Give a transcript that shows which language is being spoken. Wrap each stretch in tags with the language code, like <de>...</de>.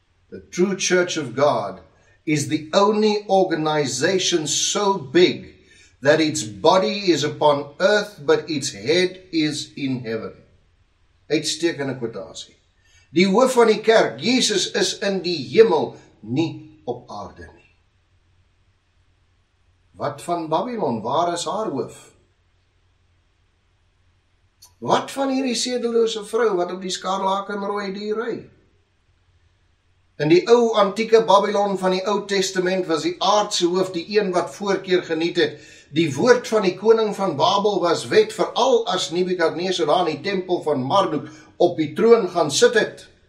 <en>The true church of God is the only organization so big that its body is upon earth but its head is in heaven.</en> <af>Uitstekende kwotasie. Die hoof van die kerk, Jesus, is in die hemel, nie op aarde nie. Wat van Babylon, waar is haar hoof? Wat van hierdie sedelose vrou, wat op die skarlaken rooi die rui? In die ou antieke Babylon van die ou testament, was die aardse hoof die een wat voorkeur geniet het. Die woord van die koning van Babel was wet, veral as Nebukadneser daar in die tempel van Marduk op die troon gaan sit het.</af>